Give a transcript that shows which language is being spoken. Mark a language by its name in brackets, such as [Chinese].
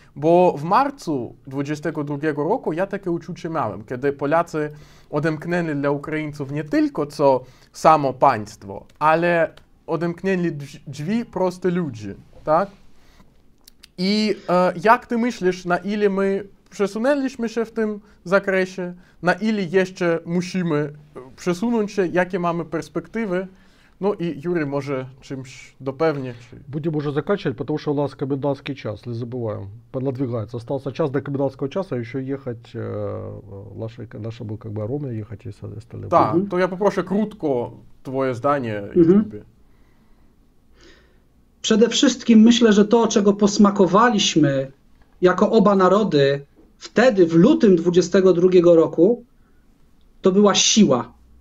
[Polish] Bo w marcu 2022 roku ja takie uczucie miałem, kiedy Polacy odemknęli dla Ukraińców nie tylko co samo państwo, ale odemknęli drzwi proste ludzi, tak? I jak ty myślisz, na ile my przesunęliśmy się w tym zakresie, na ile jeszcze musimy przesunąć się, jakie mamy perspektywy? [Ukrainian] Ну і Юрій може чимось допевні. Будемо вже закінчувати, тому що у нас комендантський час, не забуваємо. Надвигається. Остався час до комендантського часу, і ще їхати нашому [Russian] как бы, [Ukrainian] Роме, їхати і все остальне. Так, то я попрошу коротко твоє здання. [Polish] Przede wszystkim myślę, że to, czego posmakowaliśmy jako oba narody wtedy, w lutym 22 roku, to była siła.